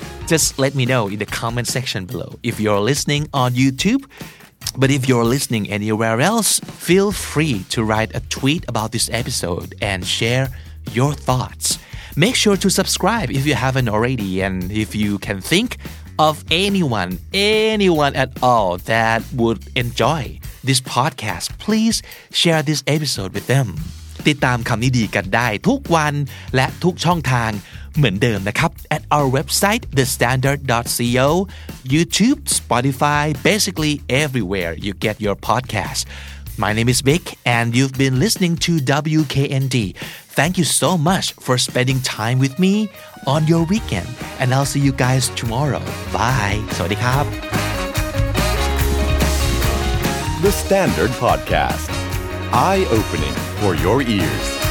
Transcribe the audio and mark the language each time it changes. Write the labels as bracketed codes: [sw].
[en] just let me know in the comment section below. If you're listening on YouTube, but if you're listening anywhere else, feel free to write a tweet about this episode and share your thoughts. Make sure to subscribe if you haven't already, and if you can think of anyone at all that would enjoy this podcast, please share this episode with them. [th] ติดตามคำนี้ดีกันได้ทุกวันและทุกช่องทางเหมือนเดิมนะครับ [en] at our website thestandard.co YouTube, Spotify, basically everywhere you get your podcast. My name is Vic and you've been listening to WKND. Thank you so much for spending time with me on your weekend and I'll see you guys tomorrow. Bye. [th] สวัสดีครับ [en] The Standard Podcast. Eye-opening for your ears.